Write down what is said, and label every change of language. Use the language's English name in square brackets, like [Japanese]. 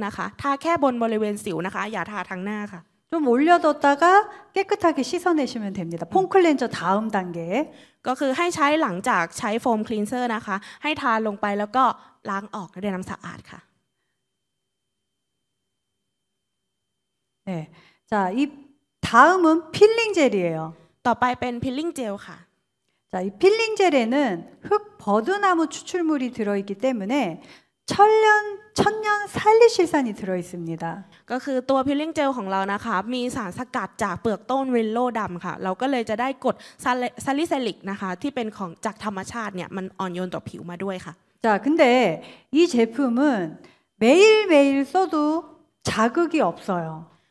[Thai] ก็คือสำหรับคนที่มีสิวขึ้นเยอะนะคะก็ให้ใช้เอเดมของเราค่ะทาลงไปบริเวณที่มีสิวขึ้นนะคะทาแค่บนบริเวณสิวนะคะอย่าทาทั้งหน้าค่ะ. [Korean] 좀 올려뒀다가 깨끗하게 씻어내시면 됩니다. 폼클렌저 다음 단계. [Thai] ก็คือให้ใช้หลังจากใช้โฟมคลีนเซอร์นะคะให้ทาลงไปแล้วก็ล้างออกด้วยน้ำสะอาดค่ะ. [Korean] 네, 자, 이 다음은 필링 젤이에요. 또빠이벤 필링 젤 카. 자, 이 필링 젤에는 흙 버드나무 추출물이 들어 있기 때문에 천년 살리실산이 들어 있습니다. [Thai] 그또 필링 젤ของเรานะคะมีสารสกัดจากเปลือกต้นวิลโลดำค่ะเราก็เลยจะได้กรดซาลิซาลิกนะคะที่เป็นของจากธรรมชาติเนี่ยมันอ่อนโยนต่อผิวมาด้วยค่ะ. [Korean] 자, 근데 이 제품은 매일매일 써도 자극이 없어요.